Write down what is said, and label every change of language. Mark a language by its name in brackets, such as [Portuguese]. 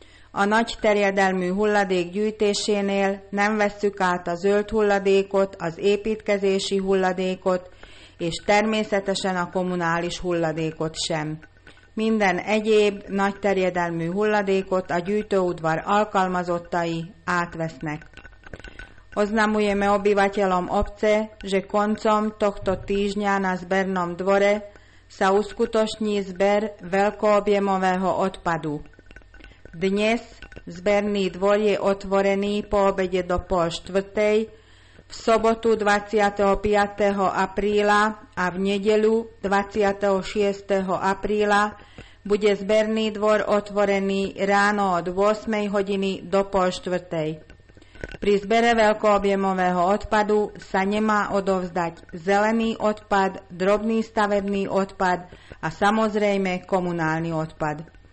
[Hungarian] A nagy terjedelmű hulladék gyűjtésénél nem vesszük át a zöld hulladékot, az építkezési hulladékot, és természetesen a kommunális hulladékot sem. Minden egyéb nagy terjedelmű hulladékot a gyűjtőudvar alkalmazottai átvesznek. [Slovak] Oznamujeme obyvateľom obce, že koncom tohto týždňa na zbernom dvore sa uskutoční zber veľkoobjemového odpadu. Dnes zberný dvor je otvorený po obede do 15:30, v sobotu 25. apríla a v nedeľu 26. apríla bude zberný dvor otvorený ráno od 8. hodiny do 15:30. Pri zbere veľkoobjemového odpadu sa nemá odovzdať zelený odpad, drobný stavebný odpad a samozrejme komunálny odpad.